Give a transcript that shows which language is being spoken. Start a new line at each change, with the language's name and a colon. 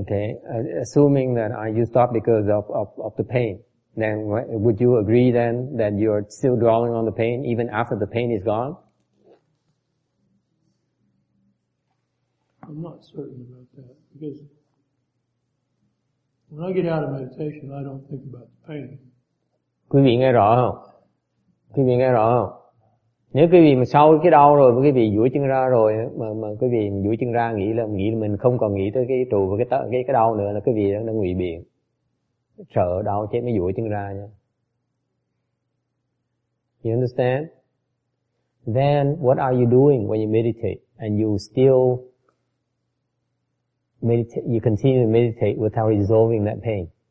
English: Okay, assuming that you stop because of the pain, then would you agree then that you're still dwelling on the pain even after the pain is gone? I'm not certain about that because when I get out of meditation, I don't think about the pain.
Vietnamese: Quý vị nghe rõ không? Quý vị nghe rõ không? Nếu quý vị mà sau cái đau rồi, quý vị duỗi chân ra rồi, mà quý vị duỗi chân ra nghĩ là mình không còn nghĩ tới cái trụ và cái đau nữa là quý vị đã ngụy biện, sợ đau chết mới duỗi chân ra nha.
English: You understand? Then what are you doing when you meditate and you still meditate, you continue to meditate without resolving that pain?